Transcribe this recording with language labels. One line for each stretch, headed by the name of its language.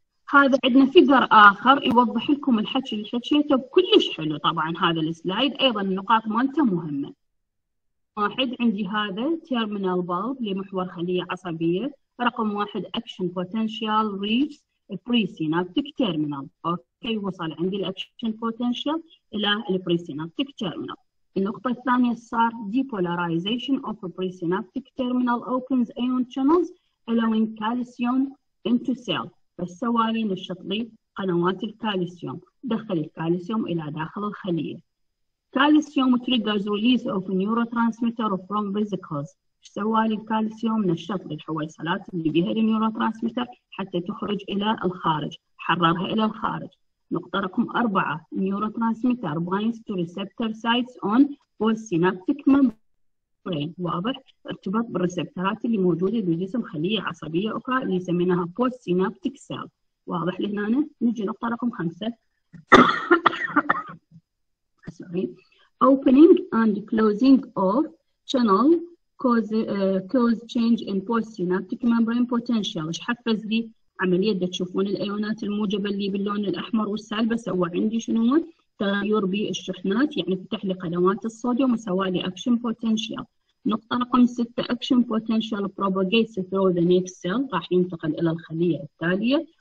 Arabic: هذا عندنا فيجر آخر يوضح لكم الحكي اللي حكيته كلش حلو طبعا هذا السلايد، أيضا النقاط مالته مهمة. واحد عندي هذا تيرمينال بالب لمحور خلية عصبية، رقم واحد
English: action potential reach البري synaptic terminal,
Arabic: أوكي وصل عندي الأكشن بوتنشال إلى البري سينابتيك تيرمينال. النقطة الثانية صار
English: depolarization of presynaptic terminal opens ion channels allowing calcium into cell.
Arabic: بس سوالي نشط لي قنوات الكالسيوم، دخل الكالسيوم إلى داخل الخلية.
English: Calcium triggers release of neurotransmitter from vesicles.
Arabic: سوالي الكالسيوم نشط لي الحويصلات اللي بها النيوروترانسميتر حتى تخرج إلى الخارج، حررها إلى الخارج. نقطة رقم أربعة
English: neurotransmitter binds to receptor sites on postsynaptic membrane،
Arabic: واضح ارتباط بالريسبترات اللي موجودة بجسم خلية عصبية أخرى اللي سميناها postsynaptic cell، واضح لهنا. نجي نقطة رقم خمسة
English: opening and closing of channel cause change in postsynaptic membrane potential.
Arabic: ايش حفز لي عملية دا تشوفون الأيونات الموجبة اللي باللون الأحمر والسالبة سوى عندي شنو؟ تغير بالشحنات يعني فتح لي قنوات الصوديوم وسوى لي أكشن بوتنشال. نقطة رقم ستة
English: action potential propagates through the next cell
Arabic: راح ينتقل إلى الخلية التالية.